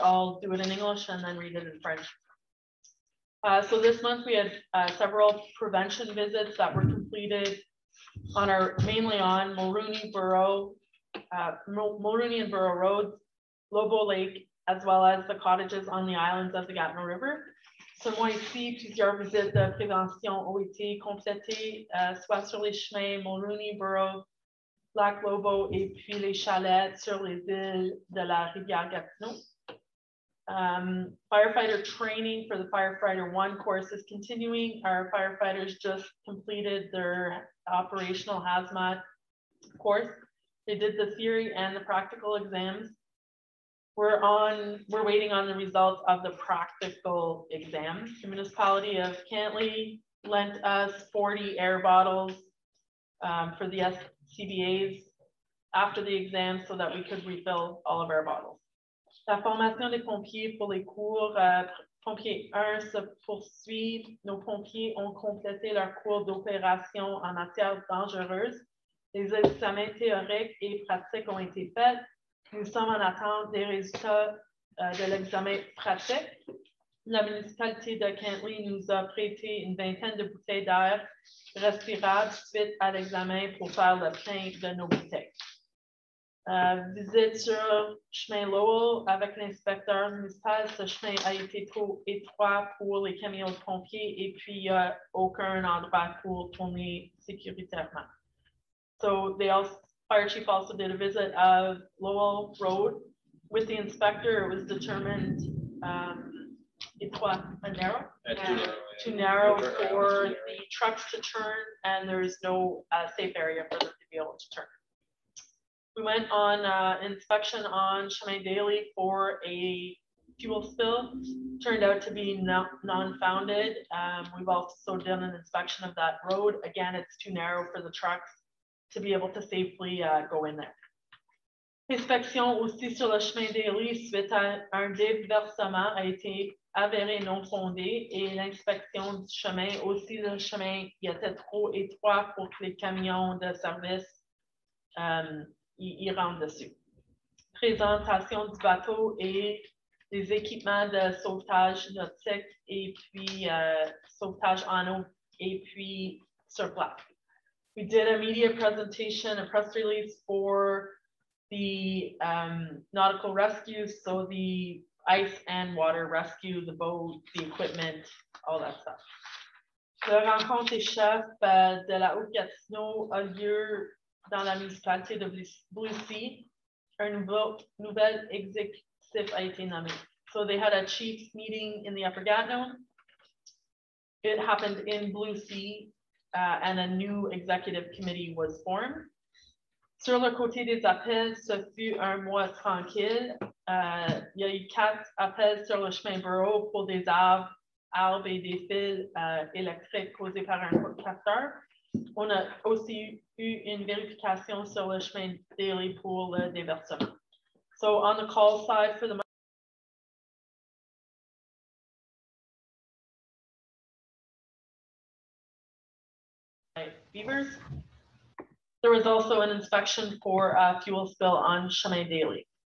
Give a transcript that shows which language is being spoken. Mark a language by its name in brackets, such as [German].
[English] I'll do it in English and then read it in French. So this month we had several prevention visits that were completed on our mainly on Mulrooney and Borough Roads, Lobo Lake, as well as the cottages on the islands of the Gatineau River. [French] Selon ici, plusieurs visites de prévention ont été complétées, soit sur les chemins Mulrooney, Borough, Black Lobo, et puis les chalets sur les îles de la rivière Gatineau. [English] Firefighter training for the Firefighter 1 course is continuing. Our firefighters just completed their operational hazmat course. They did the theory and the practical exams. We're waiting on the results of the practical exam. The municipality of Cantley lent us 40 air bottles for the SCBAs after the exam so that we could refill all of our bottles. [French] La formation des pompiers pour les cours pompiers 1 se poursuit. Nos pompiers ont complété leur cours d'opération en matière dangereuse. Les examens théoriques et pratiques ont été faits. Nous sommes en attente des résultats de l'examen pratique. La municipalité de Cantley nous a prêté une vingtaine de bouteilles d'air respirable suite à l'examen pour faire le plein de nos bouteilles. Visite sur chemin Lowell avec l'inspecteur municipal. Ce chemin a été trop étroit pour les camions de pompiers et puis il n'y a aucun endroit pour tourner sécuritairement. [English] So they also, fire chief also did a visit of Lowell Road with the inspector. It was determined étroit, narrow, too narrow for the trucks to turn, and there is no safe area for them to be able to turn. We went on inspection on Chemin Daly for a fuel spill. Turned out to be non-founded. We've also done an inspection of that road. Again, it's too narrow for the trucks to be able to safely go in there. [French] Inspection aussi sur le Chemin Daly suite à un déversement a été avéré non fondé et l'inspection du chemin aussi le chemin y était trop étroit pour que les camions de service ils rentrent dessus. Présentation du bateau et des équipements de sauvetage nautique et puis sauvetage en eau et puis sur place. [English] We did a media presentation, a press release for the nautical rescue, so the ice and water rescue, the boat, the equipment, all that stuff. [French] Le rencontre des chefs de la Haute-Gatineau a lieu dans la municipalité de Blue Sea. Un nouvel exécutif a été nommé. [English] So they had a chief's meeting in the Upper Gatineau. It happened in Blue Sea, and a new executive committee was formed. [French] Sur le côté des appels, ce fut un mois tranquille. Il y a eu 4 appels sur le chemin Borough pour des arbres et des fils électriques causés par un capteur. On a aussi eu une vérification sur le chemin Daly pour le déversement. [English] So on the call side for the Beavers. There was also an inspection for a fuel spill on Chemin Daly.